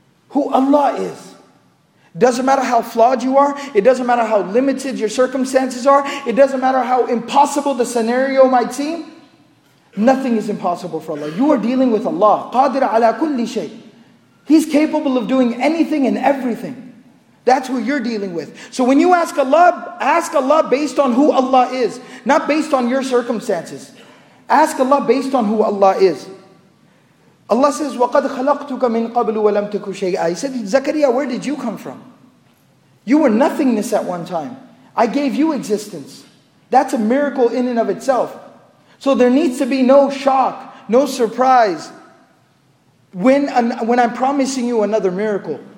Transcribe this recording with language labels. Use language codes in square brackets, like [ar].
[en] Who Allah is. Doesn't matter how flawed you are, it doesn't matter how limited your circumstances are, it doesn't matter how impossible the scenario might seem, nothing is impossible for Allah. You are dealing with Allah. [ar] قَادِرَ عَلَىٰ كُلِّ شَيْءٍ. [en] He's capable of doing anything and everything. That's who you're dealing with. So when you ask Allah based on who Allah is, not based on your circumstances. Ask Allah based on who Allah is. Allah says, [ar] وَقَدْ خَلَقْتُكَ مِنْ قَبْلُ وَلَمْ تَكُ شَيْئًا. [en] He said, Zakariya, where did you come from? You were nothingness at one time. I gave you existence. That's a miracle in and of itself. So there needs to be no shock, no surprise when I'm promising you another miracle.